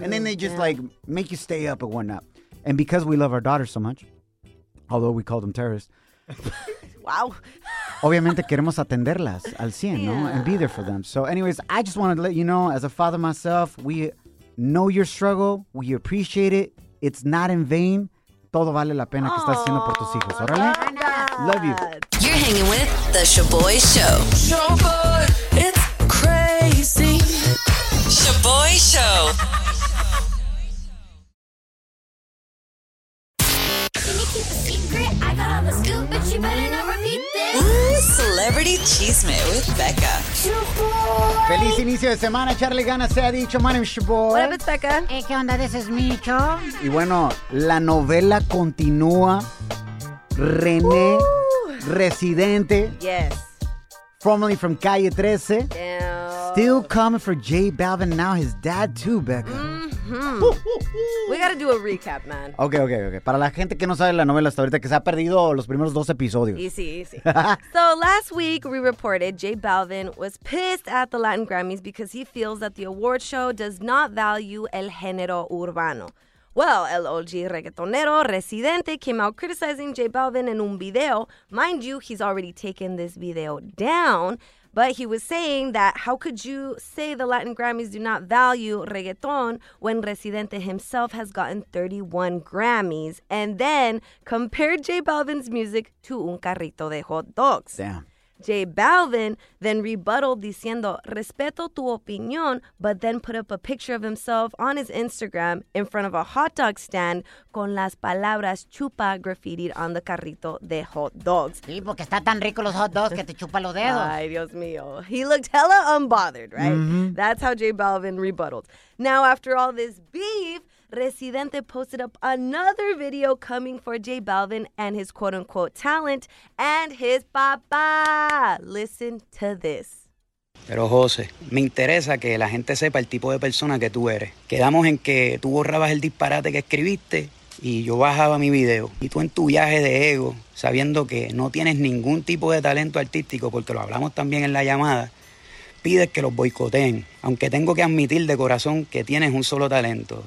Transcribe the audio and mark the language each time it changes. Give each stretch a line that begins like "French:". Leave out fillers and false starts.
English: And then they just like make you stay up and whatnot. And because we love our daughter so much, although we call them terrorists. Wow.
Spanish: Obviamente queremos atenderlas al 100, yeah. ¿no?
English: And be there for them. So anyways, I just wanted to let you know, as a father myself, we know your struggle. We appreciate it. It's not in vain.
Spanish: Todo vale la pena que estás haciendo por tus hijos.
English: ¿Órale? Love you. You're hanging with The Sha'Boy Show. Sha'Boy, it's crazy. Sha'Boy Show. Celebrity Chisme with Becca.
Spanish: Shaboy. Feliz inicio de semana, Charlie Gana se ha dicho.
English: My name is Shaboy. What up, it's Becca. Hey,
Spanish: ¿qué onda?
English: This is Micho.
Spanish: Y bueno, la novela continúa. René Residente.
English: Yes. Formerly from Calle 13. Damn. Still coming for J Balvin, now his dad too, Becca. We gotta do a recap, man. Okay.
Spanish: Para la gente que no sabe la novela hasta ahorita, que se ha perdido los primeros dos episodios.
English: Easy. So last week we reported J Balvin was pissed at the Latin Grammys because he feels that the award show does not value
Spanish: el género urbano.
English: Well, el OG reggaetonero Residente came out criticizing J Balvin in un video. Mind you, he's already taken this video down. But he was saying that how could you say the Latin Grammys do not value reggaeton when Residente himself has gotten 31 Grammys and then compared J Balvin's music to
Spanish: un carrito de hot dogs.
English: Damn. J Balvin then rebutted
Spanish: diciendo, respeto tu opinión,
English: but then put up a picture of himself on his Instagram in front of a hot dog stand
Spanish: con las palabras chupa
English: graffitied on the carrito de hot dogs.
Spanish: Sí, porque está tan rico los hot dogs que te chupa los dedos. Ay, Dios mío.
English: He looked hella unbothered, right? Mm-hmm. That's how J Balvin rebutted. Now, after all this beef, Residente posted up another video coming for J Balvin and his quote-unquote talent and his papá. Listen to this.
Spanish: Pero José, me interesa que la gente sepa el tipo de persona que tú eres. Quedamos en que tú borrabas el disparate que escribiste y yo bajaba mi video. Y tú en tu viaje de ego, sabiendo que no tienes ningún tipo de talento artístico, porque lo hablamos también en la llamada, pides que los boicoteen, aunque tengo que admitir de corazón que tienes un solo talento.